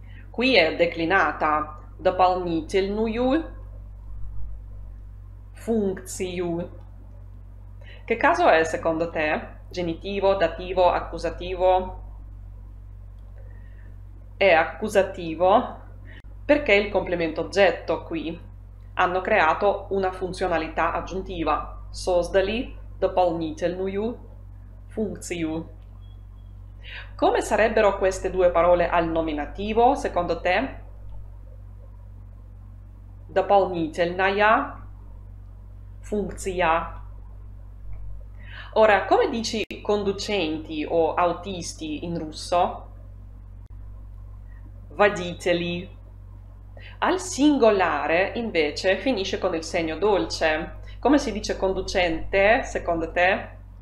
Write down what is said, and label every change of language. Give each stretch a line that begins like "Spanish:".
Italian: Qui è declinata
Russian: дополнительную функцию.
Italian: Che caso è secondo te? Genitivo, dativo, accusativo? È accusativo perché il complemento oggetto qui hanno creato una funzionalità aggiuntiva.
Russian: Создали дополнительную функцию.
Italian: Come sarebbero queste due parole al nominativo, secondo te?
Russian: Дополнительная функция.
Italian: Ora, come dici conducenti o autisti in russo?
Russian: Водители.
Italian: Al singolare, invece, finisce con il segno dolce. Come si dice conducente, secondo te?